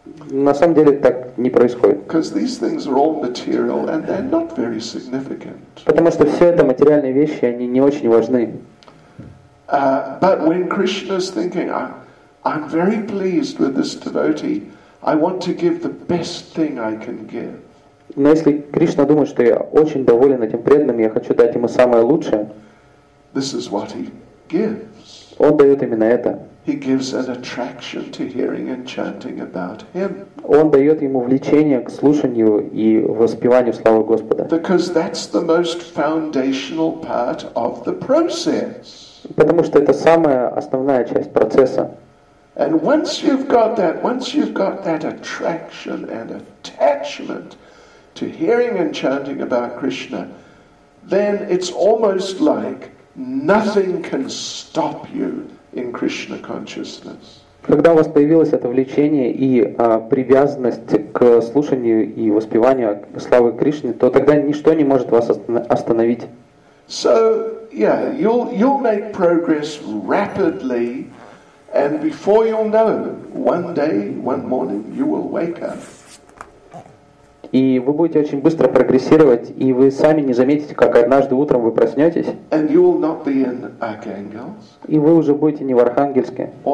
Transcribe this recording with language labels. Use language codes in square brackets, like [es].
[ru] На самом деле так не происходит. [en] Because these things are all material and they're not very significant. [ru] Потому что все это материальные вещи, они не очень важны. [en] But when Krishna's thinking, I'm very pleased with this devotee, I want to give the best thing I can give. [ru] Но если Кришна думает, что я очень доволен этим преданным, я хочу дать ему самое лучшее. [en] This is what he gives. [ru] Он дает именно это. [en] He gives an attraction to hearing and chanting about him. [ru] Он дает ему влечение к слушанию и воспеванию славы Господа. [en] Because that's the most foundational part of the process. [ru] Потому что это самая основная часть процесса. [en] And once you've got that attraction and attachment to hearing and chanting about Krishna, then it's almost like Nothing can stop you in Krishna consciousness. [ru] Когда у вас появилось это влечение и привязанность к слушанию и воспеванию славы Кришны, то тогда ничто не может вас остановить. [en] So, yeah, you'll make progress rapidly, and before you'll know it, one day, one morning, you will wake up. [ru] И вы будете очень быстро прогрессировать, и вы сами не заметите, как однажды утром вы проснетесь. И вы уже будете не в Архангельске.